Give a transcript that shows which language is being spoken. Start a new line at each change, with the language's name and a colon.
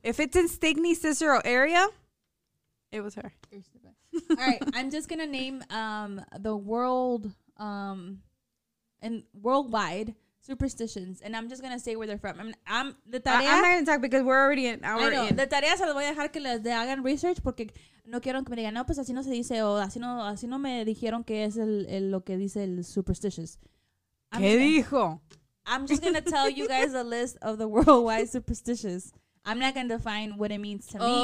English: If it's in Stigney, Cicero area, it was her. All right, I'm just going to name the world and worldwide superstitions, and I'm just gonna say where they're from. I'm the tarea. I'm not gonna talk because we're already an hour. I know.
Spanish: The tarea se los voy a dejar que les hagan research porque no quiero que me digan no pues así no se dice o así no me dijeron que es el lo que dice el superstitious. ¿Qué dijo?
English: I'm just gonna tell you guys a list of the worldwide superstitions. I'm not gonna define what it means to me.